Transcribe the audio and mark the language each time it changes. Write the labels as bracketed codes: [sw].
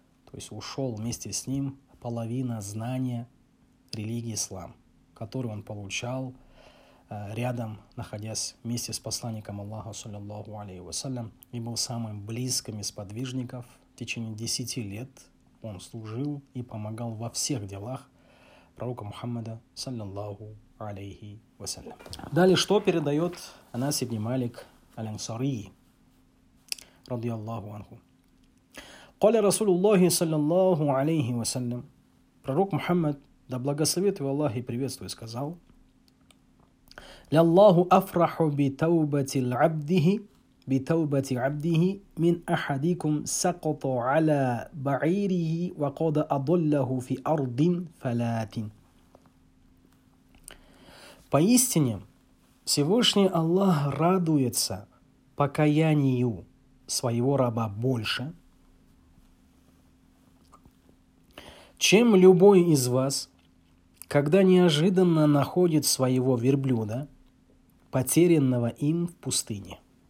[ru] То есть ушел вместе с ним половина знания религии ислам, которую он получал рядом, находясь вместе с посланником Аллаха, саллиллаху алейхи вассалям, и был самым близким из подвижников. В течение 10 лет он служил и помогал во всех делах пророка Мухаммада, саллиллаху алейхи вассалям. Далее, что передает Анас ибн Малик аль-Ансари, ради Аллаху анху. [ar] قال رسول الله صلى الله عليه وسلم [ru] пророк Мухаммад, да благословит его Аллах и приветствует, сказал: [ar] لله افرح بتوبه العبد بتوبه عبده من احدكم سقط على بعيره وقد اضله في ارض فلات. [ru] Поистине Всевышний Аллах радуется покаянию своего раба больше, чем любой из вас, когда неожиданно находит своего верблюда, потерянного им в пустыне.